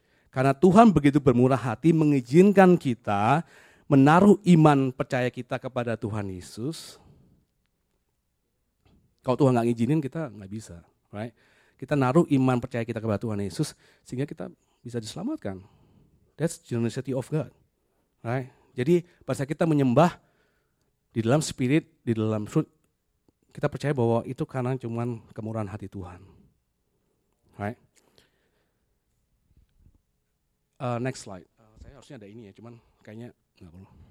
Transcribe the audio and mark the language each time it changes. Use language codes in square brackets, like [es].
[id] Karena Tuhan begitu bermurah hati mengizinkan kita menaruh iman percaya kita kepada Tuhan Yesus. Kalau Tuhan nggak ngizinin kita nggak bisa, right? Kita naruh iman percaya kita kepada Tuhan Yesus sehingga kita bisa diselamatkan. [en] That's generosity of God, right? [id] Jadi pada kita menyembah di dalam spirit, di dalam truth, kita percaya bahwa itu karena cuman kemurahan hati Tuhan. Right? Next slide. Saya harusnya ada ini ya, cuman kayaknya nggak perlu.